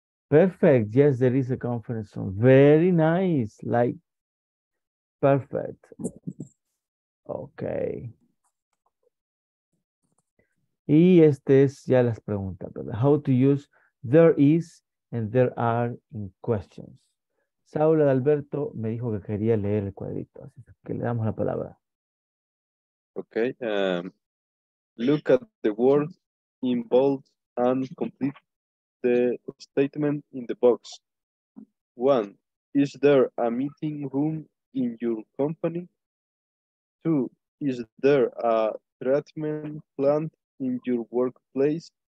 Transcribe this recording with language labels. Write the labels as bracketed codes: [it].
[en] Perfect. Yes, there is a conference room. Very nice. Like, perfect. Okay. [es] Y este es ya las preguntas, ¿verdad? [en] How to use there is and there are in questions. [es] Saula de Alberto me dijo que quería leer el cuadrito, así que le damos la palabra. [en] Okay, look at the words in bold and complete the statement in the box. 1, is there a meeting room in your company? 2, is there a treatment plant in your workplace?